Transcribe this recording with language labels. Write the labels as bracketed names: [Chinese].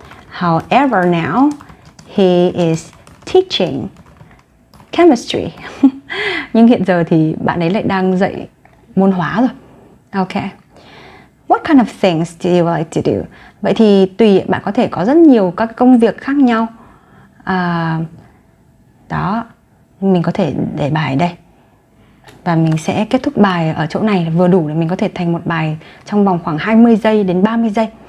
[English] However, now he is teaching chemistry. [Vietnamese] Nhưng hiện giờ thì bạn ấy lại đang dạy môn hóa rồi. [English] Okay. What kind of things do you like to do? [Vietnamese] Vậy thì tùy bạn có thể có rất nhiều các công việc khác nhau. Đó, mình có thể để bài đây. Và mình sẽ kết thúc bài ở chỗ này vừa đủ để mình có thể thành một bài trong vòng khoảng 20 giây đến 30 giây.